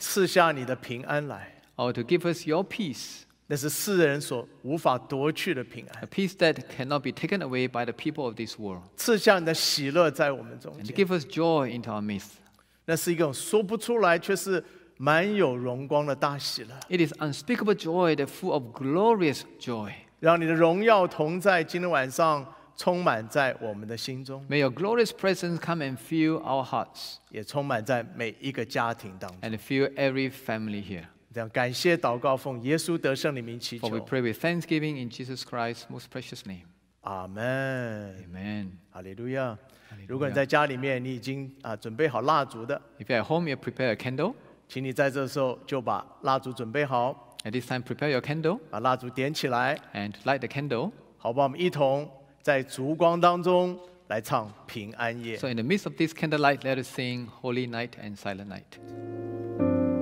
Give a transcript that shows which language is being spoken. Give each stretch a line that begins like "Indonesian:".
Chinese: 赐下你的平安来。
English: Or to give us your peace.
Chinese: 那是世人所无法夺去的平安。
English: A peace that cannot be taken away by the people of this world.
Chinese: 赐下你的喜乐在我们中间。
English: And to give us joy into our midst.
Chinese: 那是一种说不出来却是满有荣光的大喜乐。
English: It is unspeakable joy that full of glorious joy.
Chinese: 让你的荣耀同在，今天晚上充满在我们的心中。
English: May your glorious presence come and fill our hearts.
Chinese: 也充满在每一个家庭当中。
English: And fill every family here.
Chinese: 这样感谢祷告奉耶稣得胜的名祈求。
English: For we pray with thanksgiving in Jesus Christ's most precious name. Amen. Amen. Hallelujah.
Chinese: 如果你在家里面，你已经准备好蜡烛的。
English: If you're at home, you prepare a candle.
Chinese: 请你在这时候就把蜡烛准备好。
English: At this time, prepare your candle.
Chinese: 把蜡烛点起来。
English: And light the candle.
Chinese: 好吧，我们一同在烛光当中来唱平安夜。
English: So in the midst of this candlelight, let us sing Holy Night and Silent Night.